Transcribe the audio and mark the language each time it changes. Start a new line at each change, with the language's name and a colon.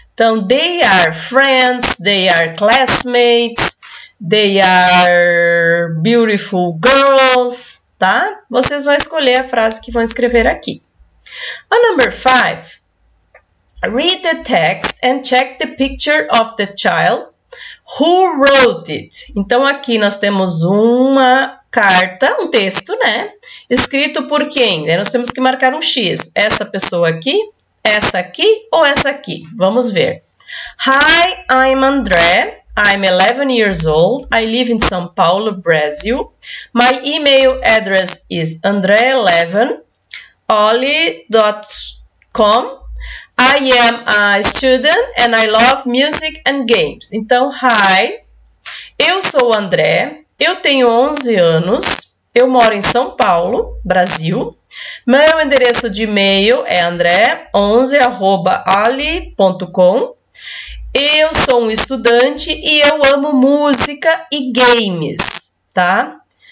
English: Então, they are friends, they are classmates, they are beautiful girls, tá?
Portuguese: Vocês vão escolher a frase que vão escrever aqui.
English: A number five. Read the text and check the picture of the child who wrote it.
Portuguese: Então, aqui nós temos uma carta, um texto, né? Escrito por quem? Nós temos que marcar um X. Essa pessoa aqui, essa aqui ou essa aqui? Vamos ver.
English: Hi, I'm André. I'm 11 years old. I live in São Paulo, Brazil. My email address is andre11oli.com. I am a student and I love music and games.
Portuguese: Então, hi, eu sou o André, eu tenho 11 anos, eu moro em São Paulo, Brasil. Meu endereço de e-mail é andre11@ali.com. Eu sou um estudante e eu amo música e games, tá?